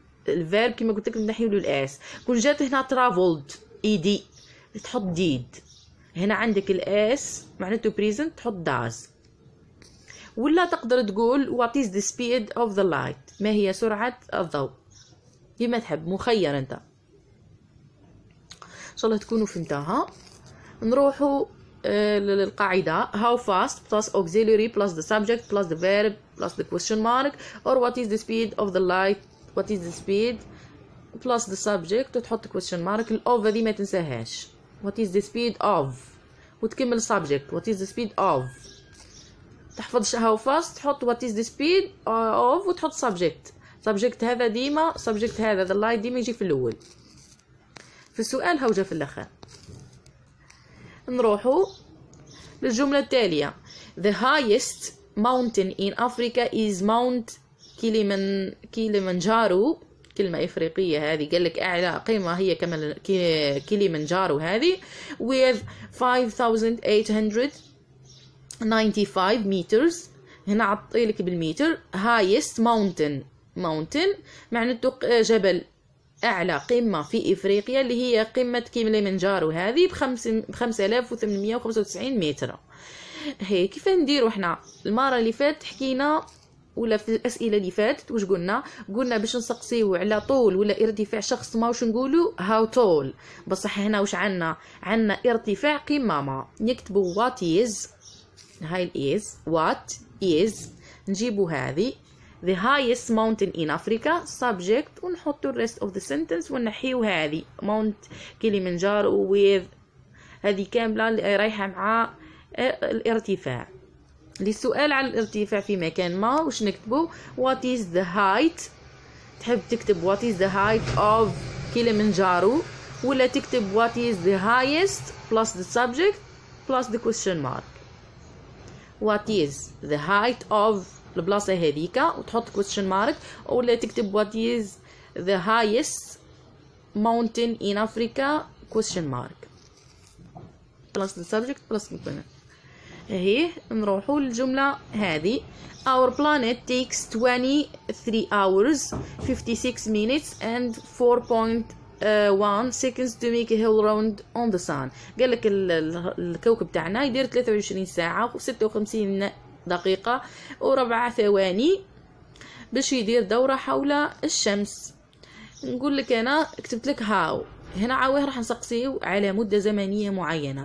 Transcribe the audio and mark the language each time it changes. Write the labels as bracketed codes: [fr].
[ar] الفيرب كما قلت لك تنحيله الاس. كون جات هنا [en] traveled ed [ar] تحط did، هنا عندك الاس معناته present تحط does. ولا تقدر تقول [en] what is the speed of the light، [ar] ما هي سرعة الضوء، كيما تحب، مخير انت. ان شاء الله تكونوا فهمتها. نروحوا للقاعدة [en] how fast plus auxiliary plus the subject plus the verb plus the question mark or what is the speed of the light what is the speed plus the subject وتحط question mark. [ar] الاوف هذه ما تنساهاش، [en] what is the speed of [ar] وتكمل [en] subject what is the speed of، تحفظش how fast تحط what is the speed of [ar] وتحط [en] subject. [ar] subject هذا ديما subject هذا [en] the light [ar] ديما يجي في الاول في السؤال هوجه في الاخر. نروحو للجملة التالية [en] the highest mountain in Africa is mount Kilimanjaro. [ar] كلمة إفريقية هذه، قالك أعلى قمة هي كيليمنجارو هذه [en] with 5895 meters. [ar] هنا عطيلك بالمتر. [en] highest mountain، [ar] mountain معناته جبل، أعلى قمة في إفريقيا اللي هي قمة كيليمنجارو هذه بخمسة آلاف وثمانمية متر. هي كيف نديرو إحنا؟ المرة اللي فاتت حكينا ولا في الأسئلة اللي فاتت واش قلنا؟ قلنا باش نسقسيو على طول ولا ارتفاع شخص ما، واش نقولو؟ هاو تول. بصح هنا واش عنا؟ عنا ارتفاع قمة ما، نكتبو وات إز، هاي الإز وات إز، نجيبو هذه [en] the highest mountain in Africa subject ونحط the rest of the sentence [ar] ونحيو هذه mount Kilimanjaro with هذه كاملة رايحة مع الارتفاع. للسؤال على الارتفاع في مكان ما وش نكتبه؟ [en] what is the height، [ar] تحب تكتب [en] what is the height of Kilimanjaro [ar] ولا تكتب [en] what is the highest plus the subject plus the question mark. what is the height of [ar] البلاصة هذيك وتحط [en] question mark، [ar] ولا تكتب [en] what is the highest mountain in Africa question mark plus the subject plus هي. [ar] نروحوا للجملة هذه [en] our planet takes 23 hours 56 minutes and 4.1 seconds to make a whole round on the sun. [ar] قال لك الكوكب تاعنا يدير 23 ساعة و 56 دقيقة وربع ثواني باش يدير دورة حول الشمس. نقول لك انا كتبت لك هاو، هنا عاوه راح نسقسيو على مدة زمنية معينة.